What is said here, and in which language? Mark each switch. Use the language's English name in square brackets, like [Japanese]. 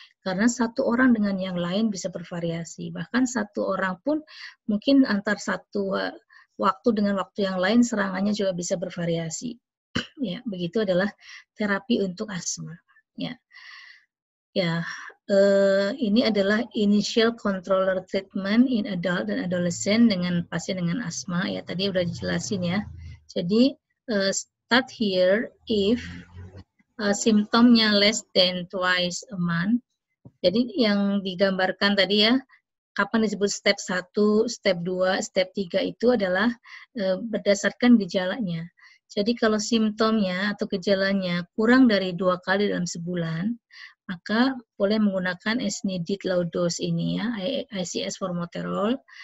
[Indonesian] Karena satu orang dengan yang lain bisa bervariasi. Bahkan satu orang pun mungkin antar satu waktu dengan waktu yang lain serangannya juga bisa bervariasi. Ya, begitu adalah terapi untuk asma ya. Ya. Ini adalah [English] initial controller treatment in adult [Indonesian] dan adolescent dengan pasien dengan asma ya tadi sudah dijelasin ya. Jadi [English] start here if symptomnya less than twice a month. [Indonesian] Jadi yang digambarkan tadi ya kapan disebut step 1, step 2, step 3 itu adalah berdasarkan gejalanya. Jadi kalau simptomnya atau gejalanya kurang dari 2 kali dalam sebulan maka boleh menggunakan [English] as needed low dose [Indonesian] ini ya, ICS formoterol.